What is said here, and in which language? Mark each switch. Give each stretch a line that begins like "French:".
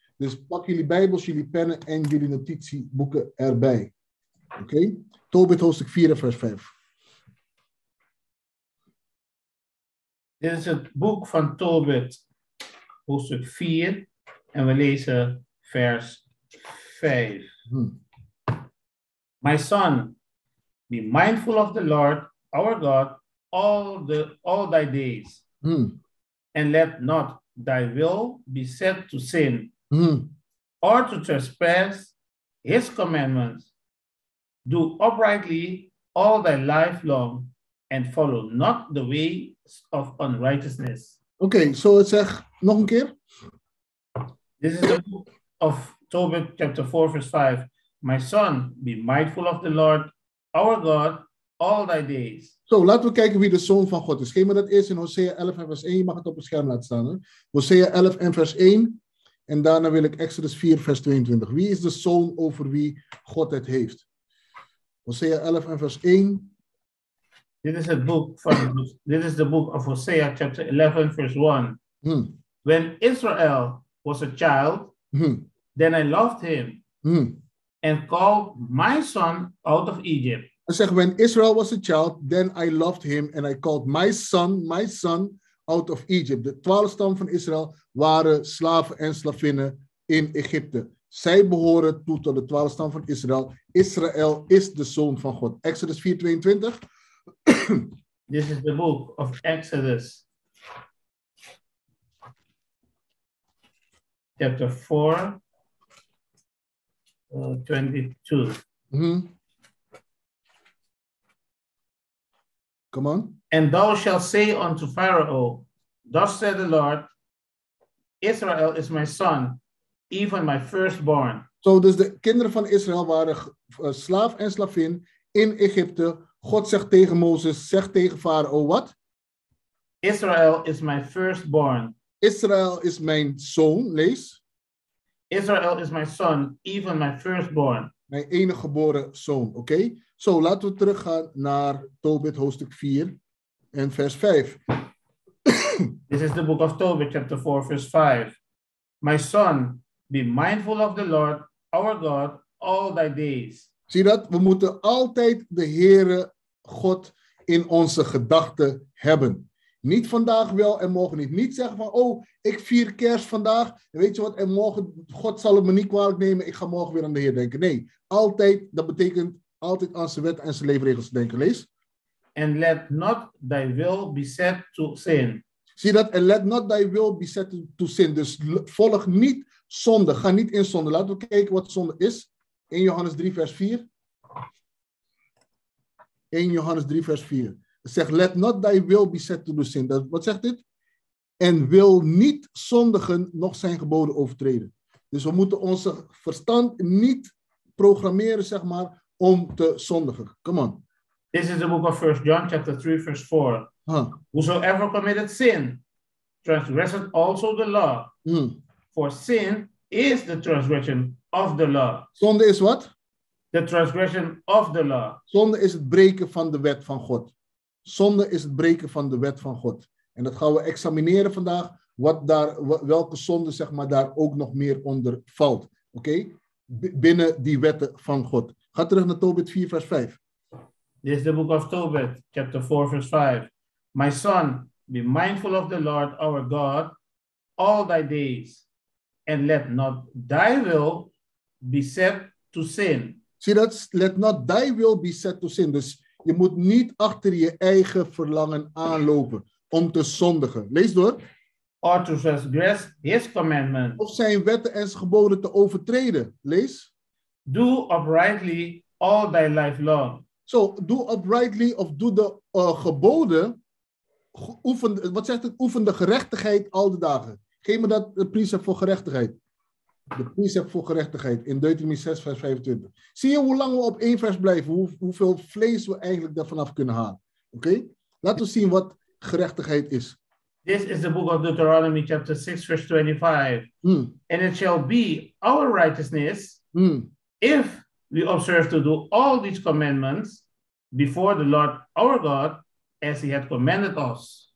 Dutch: Dus pak jullie bijbels, jullie pennen en jullie notitieboeken erbij. Oké? Okay? Tobit hoofdstuk 4 vers 5. Dit is het boek van Tobit hoofdstuk 4. En we lezen vers 5.
English: My son, be mindful of the Lord, our God, all thy days. And let not thy will be set to sin, or to trespass his commandments. Do uprightly all thy life long, and follow not the ways of unrighteousness. Okay, so it says,
Dutch: nog een keer.
English: This is the book of Tobit, chapter 4, verse 5. My son, be mindful of the Lord, our God, all thy days.
Dutch: Zo, laten we kijken wie de zoon van God is. Geef me dat eerst in Hosea 11 en vers 1. Je mag het op het scherm laten staan. Hè? Hosea 11 en vers 1. En daarna wil ik Exodus 4, vers 22. Wie is de zoon over wie God het heeft? Hosea 11 en vers 1. Dit is het boek van, dit is
English: the book of Hosea, chapter 11, verse 1. When Israel was a child, then I loved him and called my son out of Egypt.
Dutch: Hij zegt,
English: when Israel was a child, then I loved him and I called my son out of Egypt.
Dutch: De 12 stammen van Israel waren slaven en slavinnen in Egypte. Zij behoren toe tot de 12 stammen van Israël. Israël is de zoon van God. Exodus 4, 22.
English: This is the book of Exodus. Chapter 4, 22. Come on. And thou shalt say unto Pharaoh, thus saith the Lord, Israel is my son, even my firstborn.
Dutch: So, dus de kinderen van Israël waren slaaf en slavin in Egypte. God zegt tegen Mozes, zeg tegen Farao, wat?
English: Israel is my firstborn.
Dutch: Israel is mijn zoon, lees.
English: Israel is my son, even my firstborn.
Dutch: Mijn enige geboren zoon, oké? Okay? Zo, laten we teruggaan naar Tobit hoofdstuk 4 en vers 5.
English: This is the book of Tobit, chapter 4, verse 5. My son, be mindful of the Lord, our God, all thy days.
Dutch: Zie dat? We moeten altijd de Heere God in onze gedachten hebben. Niet vandaag wel en morgen niet. Niet zeggen van, oh, ik vier kerst vandaag. Weet je wat? En morgen, God zal het me niet kwalijk nemen. Ik ga morgen weer aan de Heer denken. Nee, altijd, dat betekent altijd aan zijn wet en zijn leefregels denken. Lees.
English: And let not thy will be set to sin.
Dutch: Zie dat?
English: And let not thy will be set to sin.
Dutch: Dus volg niet zonde. Ga niet in zonde. Laten we kijken wat zonde is. 1 Johannes 3 vers 4. 1 Johannes 3 vers 4. Zegt,
English: let not thy will be set to sin.
Dutch: Dat, wat zegt dit? En wil niet zondigen, nog zijn geboden overtreden. Dus we moeten onze verstand niet programmeren, zeg maar, om te zondigen.
English: Come on. This is the book of 1 John, chapter 3, verse 4. Huh. Whosoever committed sin, transgressed also the law. For sin is the transgression of the law.
Dutch: Zonde is wat?
English: The transgression of the law.
Dutch: Zonde is het breken van de wet van God. Zonde is het breken van de wet van God. En dat gaan we examineren vandaag. Wat daar, welke zonde zeg maar daar ook nog meer onder valt. Oké? binnen die wetten van God. Ga terug naar Tobit 4, vers 5.
English: This is the book of Tobit, chapter 4, verse 5. My son, be mindful of the Lord our God all thy days, and let not thy will be set to sin. See, that's let not thy will be set to sin.
Dutch: Dus je moet niet achter je eigen verlangen aanlopen om te zondigen. Lees door.
English: Or to transgress his commandment.
Dutch: Of zijn wetten en zijn geboden te overtreden. Lees.
English: Do uprightly all thy life long. So, do uprightly
Dutch: of
English: do the geboden.
Dutch: Oefen de gerechtigheid al de dagen. Geef me dat de precept voor gerechtigheid. De precept voor gerechtigheid in Deuteronomy 6 vers 25. Zie je hoe lang we op één vers blijven? Hoeveel vlees we eigenlijk daarvan af kunnen halen? Oké? Okay? Laten we zien wat gerechtigheid is.
English: This is the book of Deuteronomy chapter 6 verse 25. Mm. And it shall be our righteousness if we observe to do all these commandments before the Lord our God as he had commanded us.